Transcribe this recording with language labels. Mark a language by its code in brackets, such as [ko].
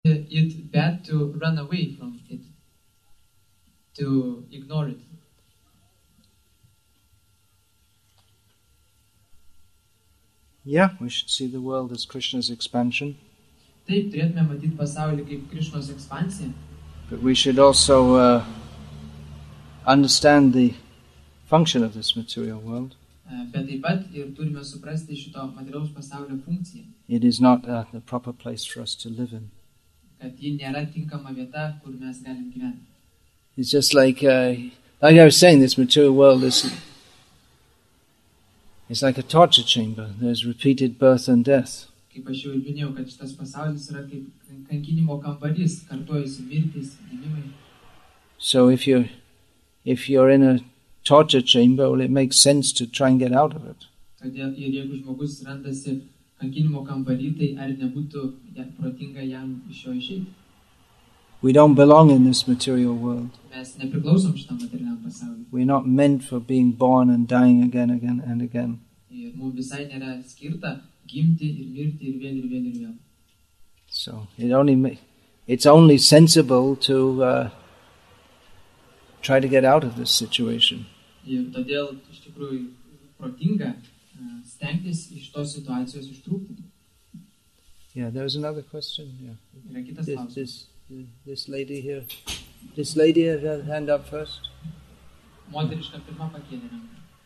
[en] It's bad to run away from it, to ignore it. Yeah, we should see the world as Krishna's expansion. [lt] Taip, turėtume matyti pasaulį kaip Krishnos ekspansiją. [en] But we should also understand the function of this material world. [lt] Bet taip pat ir turime suprasti šito materialaus pasaulio funkciją. [en] It is not the proper place for us to live in. [lt] Kad ji nėra tinkama vieta, kur mes galim gyventi. [en] It's just like I was saying, this material world is... It's like a torture chamber. There's repeated birth and death. [lt] Kaip aš jau minėjau, kad šitas pasaulis yra kaip kankinimo kambarys, kartuojasi mirtis, gimimai. [en] So if you're in a torture chamber, well, it makes sense to try and get out of it. [lt] Todėl, ir jeigu žmogus randasi kankinimo kambarį, tai ar nebūtų protinga jam iš jo išeiti? [en] We don't belong in this material world. [lt] Mes nepriklausom šitam materialiam pasauliui. [en] We're not meant for being born and dying again, again and again. [lt] Ir mums visai nėra skirta gimti ir mirti ir vėl ir vėl ir vėl. [en] So it's only sensible to try to get out of this situation. [lt] Ir todėl iš tikrųjų protinga stengtis iš tos situacijos ištrūkti. [en] Yeah, there was another question. Yeah. [lt] Yra kitas klausimas. [en] This lady has her hand up first. [lt] Moteriška pirma pakėlė ranką.